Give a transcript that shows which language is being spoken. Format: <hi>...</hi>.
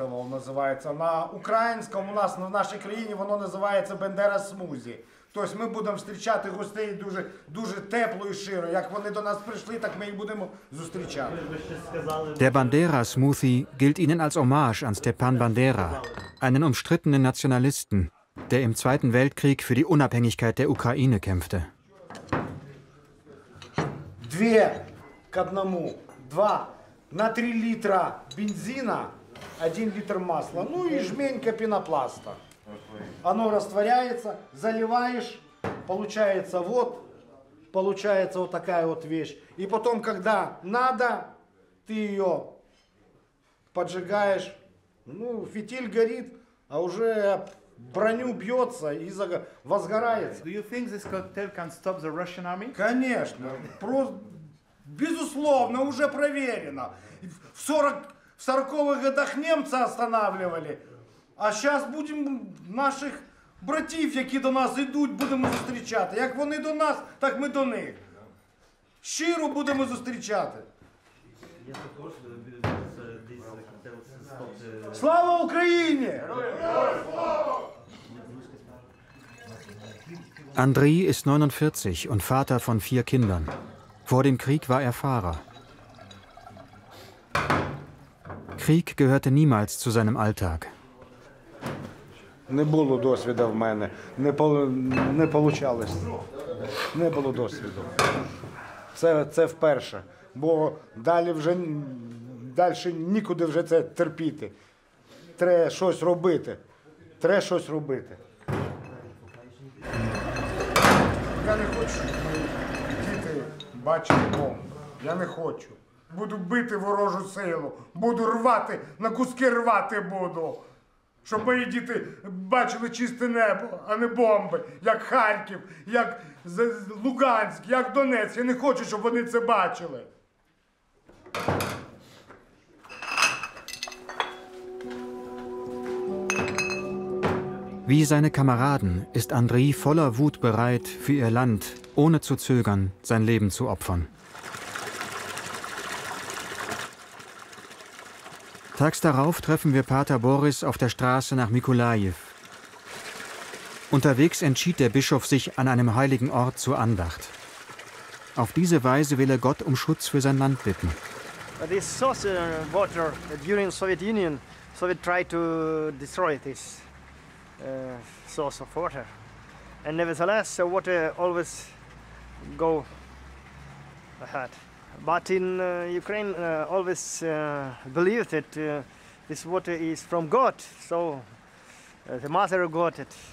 <uk>Називається на українському, у нас в нашій країні воно називається Бендера Смузі. Тобто ми будемо зустрічати гостей дуже, дуже тепло і щиро. Як вони до нас прийшли, так ми їх будемо зустрічати.</uk> <de>Der Bandera Smoothie gilt ihnen als Hommage an Stepan Bandera, einen umstrittenen Nationalisten, der im Zweiten Weltkrieg für die Unabhängigkeit der Ukraine kämpfte.</de> <uk>Дві к одному, два на 3 літра бензина. Один літр масла, ну і жменька пінопласта. Воно розтворюється, заливаєш, получається вот, получається вот така от віч. І потім, коли треба, ти її поджигаєш, ну, фітиль горить, а вже броню б'ється і возгорається.</uk> <en>Do you think this cocktail can stop the Russian army?</en> <ru>Конечно. Безусловно,</ru> <uk>вже перевірено.</uk> <ru>В 40 В 40-х годах немцы останавливали. А сейчас будем наших братьев,</ru> <uk>які до нас йдуть, будемо зустрічати. Як вони до нас, так ми до них. Щиро будемо зустрічати. Я також десь хотів... Слава Україні! Героям слава!</uk> <de>Andrei ist 49 und Vater von 4 Kindern. Vor dem Krieg war er Fahrer. Krieg gehörte niemals zu seinem Alltag.</de> <uk>Не було досвіду в мене, не получалось. Не було досвіду. Це вперше, бо далі вже далі нікуди вже це терпіти. Треба щось робити. Треба щось робити. Я не хочу, щоб мої діти бачили бомби. Я не хочу. Буду бити ворожу силу. Буду рвати, на куски рвати буду. Щоб мої діти бачили чисте небо, а не бомби. Як Харків, як Луганськ, як Донецьк. Я не хочу, щоб вони це бачили.</uk> <de>Wie seine Kameraden ist Andrei voller Wut bereit, für ihr Land, ohne zu zögern, sein Leben zu opfern. Tags darauf treffen wir Pater Boris auf der Straße nach Mykolajiw. Unterwegs entschied der Bischof sich an einem heiligen Ort zur Andacht. Auf diese Weise will er Gott um Schutz für sein Land bitten.</de> <en>This source of water during the Soviet Union, Soviet tried to destroy this. Source of water, and nevertheless, the water always go ahead. But in Ukraine, always believe that this water is from God, so the Mother of God.</en>